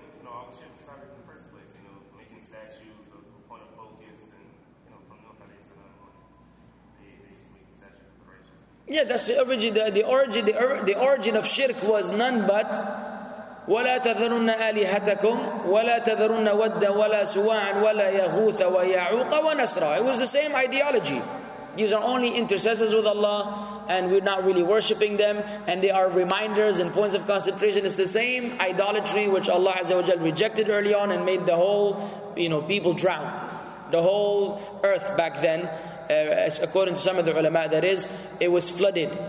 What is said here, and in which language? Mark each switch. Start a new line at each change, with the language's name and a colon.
English: all the shit started in the first place, you know, making statues of a point of focus and, you know, from the Hadesa, they used to make the statues of creations. Yeah, that's the origin, the origin of shirk was none but
Arabic: وَلَا تَذَرُنَّ آلِهَتَكُمْ وَلَا تَذَرُنَّ وَدَّ وَلَا سُوَاعًا وَلَا يَغُوثَ وَيَعُوقَ وَنَسْرًا.
English: It was the same ideology. These are only intercessors with Allah, and we're not really worshipping them, and they are reminders and points of concentration. It's the same idolatry which Allah Azza wa Jal rejected early on and made the whole, you know, people drown. The whole earth back then, according to some of the ulama, that is, it was flooded.